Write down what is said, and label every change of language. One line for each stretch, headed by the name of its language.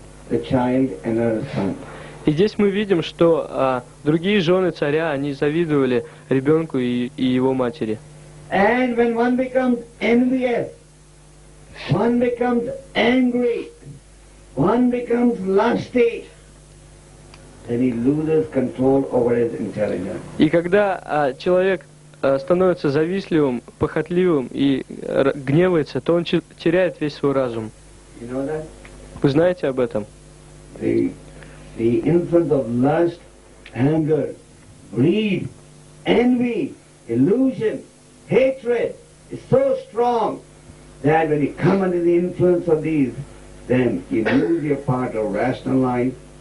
Russian: И здесь мы видим, что другие жены царя, они завидовали ребенку и его матери.
English: And when one becomes envious, one becomes angry, one becomes lusty. Then he loses control over his intelligence.
Russian: И когда человек становится завистливым, похотливым и гневается, то он теряет весь свой разум.
English: You know that?
Russian: Вы знаете об этом?
English: The influence of lust, anger, greed, envy, illusion, hatred is so strong that when you come under the influence of these, then you lose your part of rational life.